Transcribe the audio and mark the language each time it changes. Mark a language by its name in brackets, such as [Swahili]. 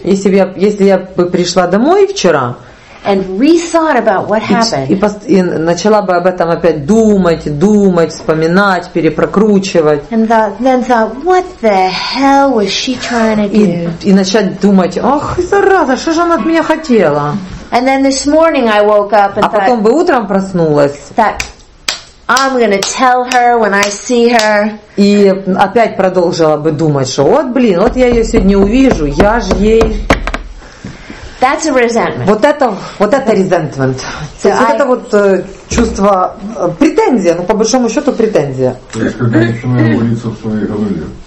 [Russian] если я бы пришла домой вчера, [English] and rethought about what happened. [Russian] И начала бы об этом опять думать, вспоминать, перепрокручивать. [English] And then thought, what the hell was she trying to do? [Russian] И начать думать, ох, зараза, что же она от меня хотела? [English] And then this morning I woke up and thought. [Russian] А потом бы утром проснулась. [English] That I'm gonna tell her when I see her. [Russian] И опять продолжила бы думать, что вот, блин, вот я ее сегодня увижу, я же ей. [English] That's a resentment. [Russian] Вот это resentment. So то есть это вот чувство претензия, ну по большому счету претензия. То есть как начинает молиться в своей голове.